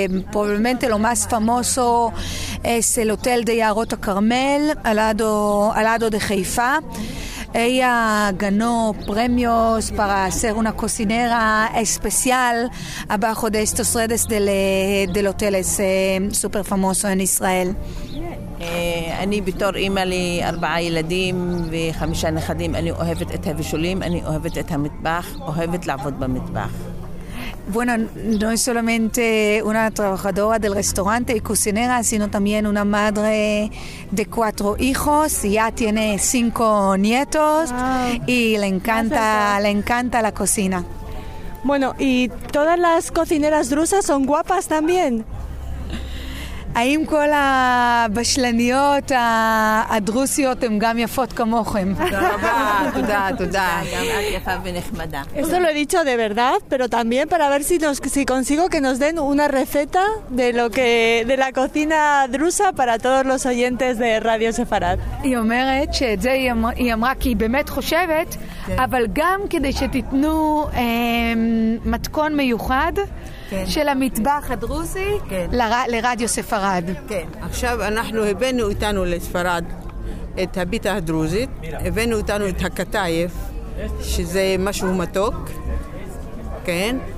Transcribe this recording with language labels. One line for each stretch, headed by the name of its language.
Spanish: Probablemente lo más famoso es el hotel de Yarot Carmel, al lado de Haifa. Ella ganó premios para ser una cocinera especial abajo de estos redes del hotel super famoso en Israel.
Hebrew: אני בתור אימא לי 4 ילדים ו5 נכדים, אני אוהבת את הבישולים, אני אוהבת את המטבח, אוהבת לעבוד במטבח.
Spanish: Bueno, no es solamente una trabajadora del restaurante y cocinera, sino también una madre de 4 hijos. Ya tiene 5 nietos. Wow. Y le encanta la cocina. Bueno, ¿y todas las cocineras drusas son guapas también?
Hebrew: האם כל הבשלניות הדרוסיות הן גם יפות כמוכם? תודה רבה. גם את יפה ונחמדה.
Spanish: Esto lo he dicho de verdad, pero también para ver si consigo que nos den una receta de la cocina drusa para todos los oyentes de Radio Sefarad.
Hebrew: היא אומרת שאת זה היא אמרה כי היא באמת חושבת, אבל גם כדי שתיתנו מתכון מיוחד, כן. של המטבח הדרוזי, כן. לרדיו ספרד. כן. עכשיו אנחנו הבאנו איתנו לספרד את הביטה הדרוזית, הבאנו איתנו את הקטייף, שזה משהו מתוק, כן?